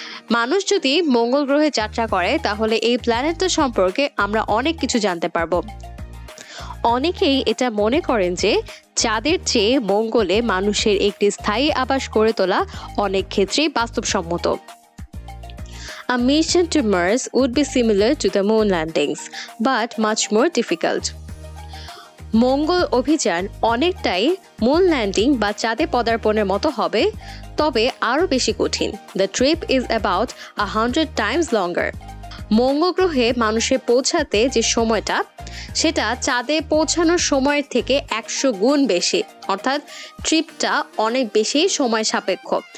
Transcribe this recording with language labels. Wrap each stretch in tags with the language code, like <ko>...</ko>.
<bn>মানুষ যদি মঙ্গল গ্রহে যাত্রা করে, তাহলে এই প্ল্যানেটটা সম্পর্কে আমরা অনেক কিছু জানতে পারবো। অনেকেই এটা মনে করেন যে চাঁদের চেয়ে মঙ্গলে মানুষের একটি স্থায়ী আবাস করে তোলা অনেক ক্ষেত্রেই বাস্তবসম্মত।</bn> <en>A mission to Mars would be similar to the moon landings, but much more difficult.</en> <bn>মঙ্গল অভিযান অনেকটাই মুন ল্যান্ডিং বা চাঁদে পদার্পণের মতো হবে, তবে আরও বেশি কঠিন।</bn> <en>The trip is about 100 times longer.</en> <bn>মঙ্গল গ্রহে মানুষের পৌঁছাতে যে সময়টা, সেটা চাঁদে পৌঁছানোর সময়ের থেকে 100 গুণ বেশি, অর্থাৎ ট্রিপটা অনেক বেশি সময় সাপেক্ষ।</bn>